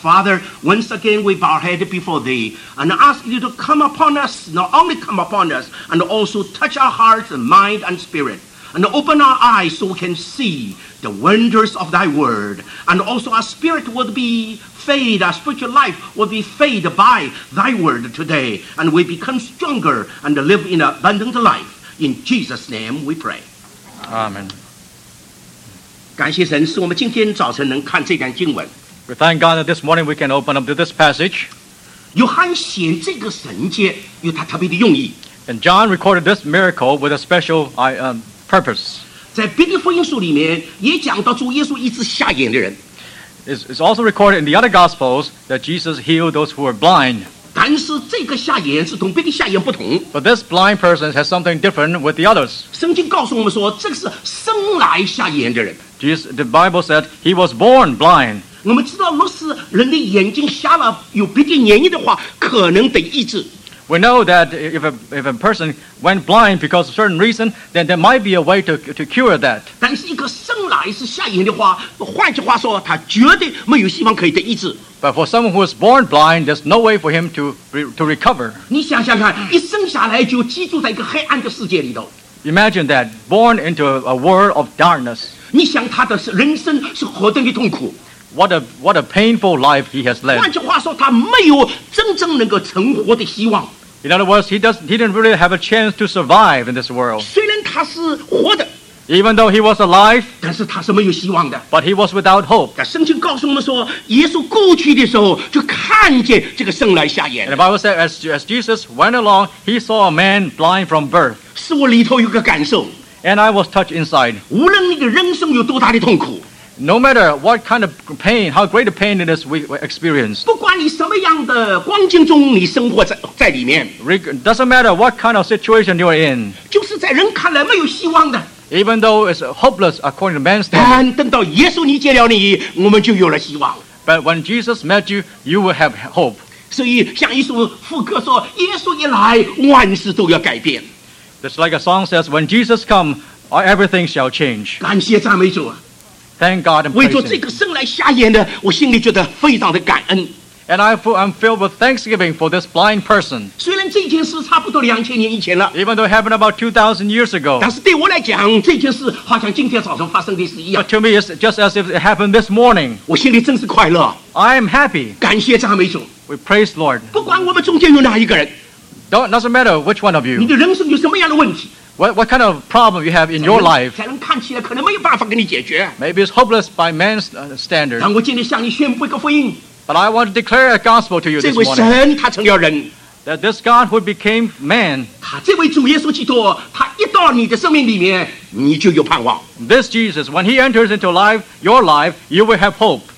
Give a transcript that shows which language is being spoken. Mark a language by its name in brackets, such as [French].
[English] Father, once again we bow our head before thee and ask you to come upon us, not only come upon us, and also touch our hearts and mind and spirit, and open our eyes so we can see the wonders of thy word, and also our spirit would be fade, our spiritual life would be fade by thy word today, and we become stronger and live in abundant life. In Jesus' name we pray. Amen. [Chinese] 感谢神，使我们今天早晨能看这段经文。 [English] We thank God that this morning we can open up to this passage. [Chinese] 约翰写这个神迹有他特别的用意。 [English] And John recorded this miracle with a special purpose. [Chinese] 在别的福音书里面也讲到主耶稣医治瞎眼的人。 [English] It's also recorded in the other Gospels that Jesus healed those who were blind. [Chinese] 但是这个瞎眼是同别的瞎眼不同。 [English] But this blind person has something different with the others. [Chinese] 圣经告诉我们说，这个是生来瞎眼的人。 [English] The Bible said he was born blind. [Chinese] 我们知道，若是人的眼睛瞎了，有别的原因的话，可能得医治。 [English] We know that if a person went blind because of certain reason, then there might be a way to cure that. [Chinese] 但是一个生来是瞎眼的话，换句话说，他绝对没有希望可以得医治。 [English] But for someone who is born blind, there's no way for him to recover. [Chinese] 你想想看，一生下来就居住在一个黑暗的世界里头。 [English] Imagine that, born into a world of darkness. [Chinese] 你想他的人生是何等的痛苦。 [English] What a painful life he has led. [Chinese] 换句话说，他没有真正能够存活的希望。 [English] In other words, he didn't really have a chance to survive in this world. [Chinese] 虽然他是活的。 [English] Even though he was alive, [Chinese] 但是他是没有希望的。 [English] But he was without hope. [Chinese] 但圣经告诉我们说，耶稣过去的时候就看见这个生来瞎眼。 [English] And the Bible said as Jesus went along, he saw a man blind from birth. [Chinese] 是我里头有个感受。 [English] And I was touched inside. [Chinese] 无论你的人生有多大的痛苦。 [English] No matter what kind of pain, how great a pain it is we experience. [Chinese] 不管你什么样的光景中你生活在里面。 [English] Doesn't matter what kind of situation you are in. [Chinese] 就是在人看来没有希望的。 [English] Even though it's hopeless according to man's standard. [Chinese] 但等到耶稣你接了你，我们就有了希望。 [English] But when Jesus met you, you will have hope. [Chinese] 所以像一首副歌说，耶稣一来，万事都要改变。 [English] Just like a song says, when Jesus comes, everything shall change. [Chinese] 感谢赞美主。 [English] Thank God and praise Him. [Chinese] 为着这个生来瞎眼的，我心里觉得非常的感恩。 [English] And I'm filled with thanksgiving for this blind person. [Chinese] 虽然这件事差不多2000年以前了。 [English] Even though it happened about 2000 years ago. [Chinese] 但是对我来讲，这件事好像今天早上发生的事一样。 [English] But to me, it's just as if it happened this morning. [Chinese] 我心里真是快乐。 [English] I am happy. [Chinese] 感谢赞美主。 [English] We praise Lord. [Chinese] 不管我们中间有哪一个人。 [English] Doesn't matter which one of you. [Chinese] 你的人生有什么样的问题？ [English] What kind of problem you have in your life? [Chinese] 才能看起来, [English] maybe it's hopeless by man's standard. But I want to declare a gospel to you this morning. [Chinese] 这位神他成了人, [English] that this God who became man, [Chinese] 他这位主耶稣基督, 他一到你的生命里面, [English] this Jesus, when he enters into life, your life, you will have hope.